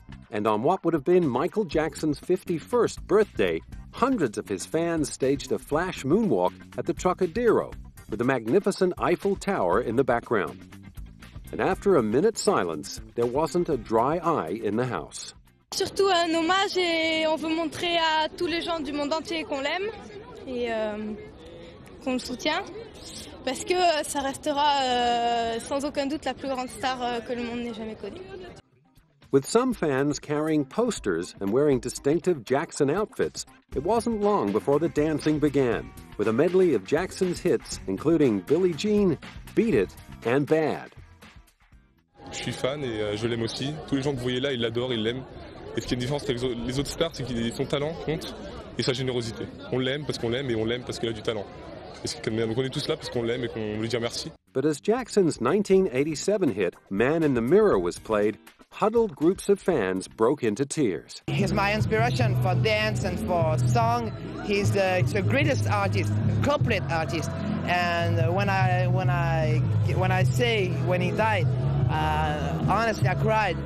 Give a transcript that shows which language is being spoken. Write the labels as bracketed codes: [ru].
[en] And on what would have been Michael Jackson's 51st birthday, hundreds of his fans staged a flash moonwalk at the Trocadero, with the magnificent Eiffel Tower in the background. And after a minute's silence, there wasn't a dry eye in the house. [fr] Surtout un hommage, et on veut montrer à tous les gens du monde entier qu'on l'aime et qu'on le soutient, parce que ça restera sans aucun doute la plus grande star que le monde n'ait jamais connue. [en] With some fans carrying posters and wearing distinctive Jackson outfits, it wasn't long before the dancing began, with a medley of Jackson's hits, including Billie Jean, Beat It, and Bad. [fr] Je suis fan et je l'aime aussi. Tous les gens que vous voyez là, ils l'adorent, ils l'aiment. Et ce qui est différent avec les autres stars, c'est qu'ils ont son talent compte et sa générosité. On l'aime parce qu'on l'aime et on l'aime parce qu'il a du talent. Donc on est tous là parce qu'on l'aime et qu'on lui dit merci. [en] But as Jackson's 1987 hit, Man in the Mirror, was played, huddled groups of fans broke into tears. He's my inspiration for dance and for song. He's the greatest artist, complete artist. And when I say when he died, honestly, I cried.